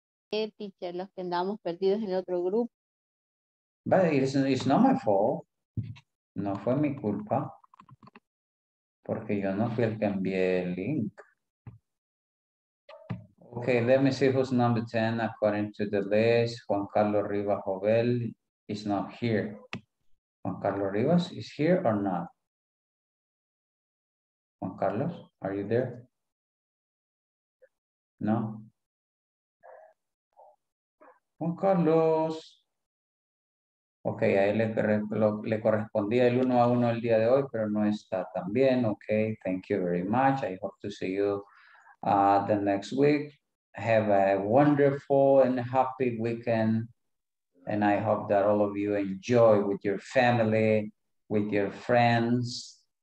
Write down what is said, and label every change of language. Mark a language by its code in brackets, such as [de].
[en] Hey, teacher, [es] los que andamos perdidos en otro grupo. But it's not my fault. No fue mi culpa. Porque yo no fui el que envié el link. [en] Okay, let me see who's number 10 according to the list. Juan Carlos Rivas Jovel is not here. Juan Carlos Rivas is here or not? Juan Carlos, are you there? No? Juan Carlos. Okay, [es] a él le correspondía el uno a uno el día de hoy, pero no está también. [en] Okay, thank you very much. I hope to see you the next week. Have a wonderful and happy weekend. And I hope that all of you enjoy with your family, with your friends.